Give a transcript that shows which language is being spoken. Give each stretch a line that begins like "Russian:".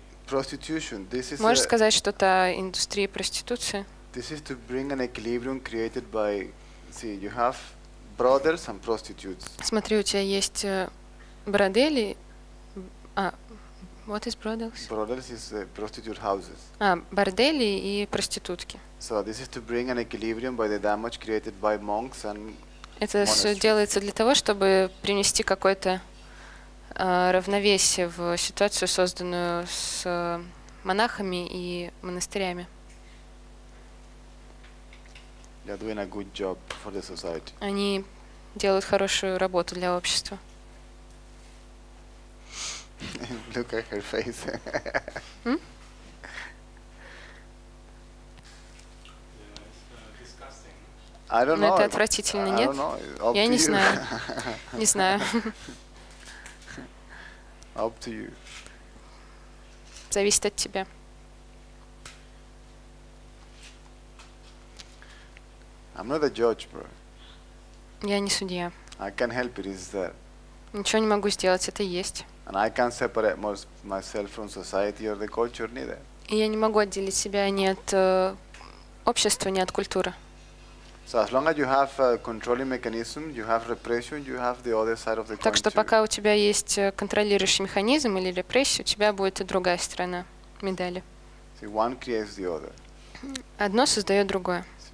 Russian: Можешь сказать что-то о индустрии проституции?
English: This is to bring an equilibrium created by, see, you have brothers and prostitutes.
Russian: Смотри, у тебя есть бродели.
English: What is brothels? Brothels is prostitute houses.
Russian: А, бордели и проститутки.
English: So this is to bring an equilibrium by the damage created by monks and
Russian: это все делается для того, чтобы принести какое-то равновесие в ситуацию, созданную с монахами и монастырями.
English: They're doing a good job for the society.
Russian: Они делают хорошую работу для общества.
English: Look at her face. I don't know.
Russian: Это отвратительно, нет? Я не знаю. Не знаю.
English: Up to you.
Russian: Зависит от тебя.
English: I'm not a judge, bro.
Russian: Я не судья.
English: I can help it, is there?
Russian: Ничего не могу сделать, это есть.
English: And I can't separate myself from society or the culture neither.
Russian: И я не могу отделить себя ни от общества, ни от культуры.
English: So as long as you have a controlling mechanism, you have repression, you have the other side of the coin.
Russian: Так что пока у тебя есть контролирующий механизм или репрессия, у тебя будет и другая сторона медали.
English: See, one creates the other.
Russian: Одно создает другое.